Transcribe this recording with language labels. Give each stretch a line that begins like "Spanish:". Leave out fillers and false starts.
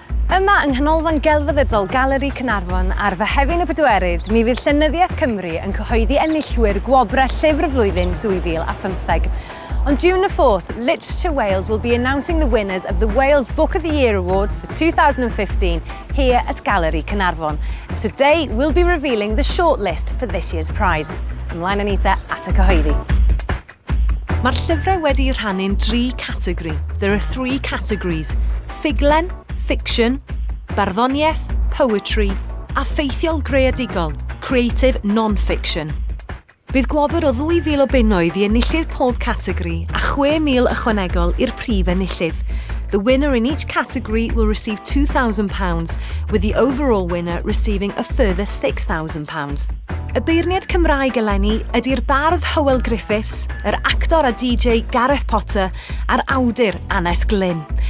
Welsh: Yma yng nghanolfan gelfyddydol Galeri Caernarfon ar fyhefin y bedwerydd, mi fydd Llynyddiaeth Cymru yn cyhoeddi enillwyr Gwobr Llyfr y Flwyddyn 2015.
English: On June the 4th, Literature Wales will be announcing the winners of the Wales Book of the Year Awards for 2015 here at Galeri Caernarfon. Today, we'll be revealing the shortlist for this year's prize.
Welsh: Ymlaen yn ita at y cyhoeddi. Mae'r llyfrau wedi rhannu'n dri categori.
English: There are three categories.
Welsh: Ffuglen,
English: fiction,
Welsh: barddoniaeth,
English: poetry,
Welsh: a ffeithiol-greadigol,
English: creative non-fiction.
Welsh: Bydd gwobr o 2,000 o bunnoedd i enillydd pob categori a 6,000 ychwanegol i'r prif enillydd.
English: The winner in each category will receive £2,000, with the overall winner receiving a further £6,000.
Welsh: Y beirniaid Cymraeg eleni ydy'r bardd Hywel Griffiths, yr actor a DJ Gareth Potter a'r awdur Anes Glynn.